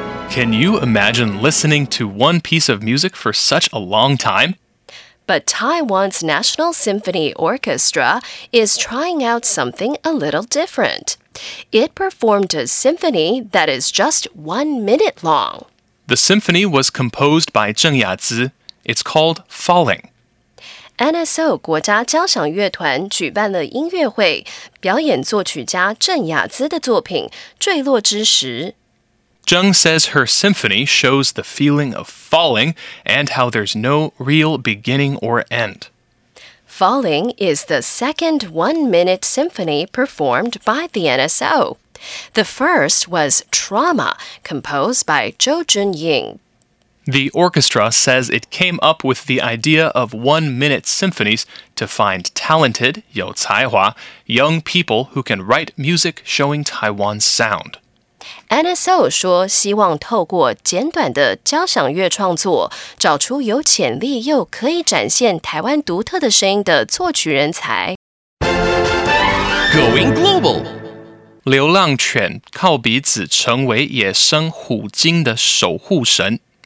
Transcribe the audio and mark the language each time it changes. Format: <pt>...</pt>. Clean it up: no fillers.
<en>Can you imagine listening to one piece of music for such a long time? But Taiwan's National Symphony Orchestra is trying out something a little different. It performed a symphony that is just 1 minute long. The symphony was composed by Zheng Yazi. It's called Falling.</en> <zh>NSO 国家交响乐团举办了音乐会，表演作曲家郑雅姿的作品《坠落之时》。</zh> <en>Zheng says her symphony shows the feeling of falling and how there's no real beginning or end. Falling is the second one-minute symphony performed by the NSO. The first was Trauma, composed by Zhou Junying. The orchestra says it came up with the idea of one-minute symphonies to find talented, 有才华, young people who can write music showing Taiwan's sound.</en> <zh>NSO 说希望透过简短的交响乐创作找出有潜力又可以展现台湾独特的声音的作曲人才。</zh> <en>Going global!</en> <zh>流浪犬靠鼻子成为野生虎鲸的守护神。</zh>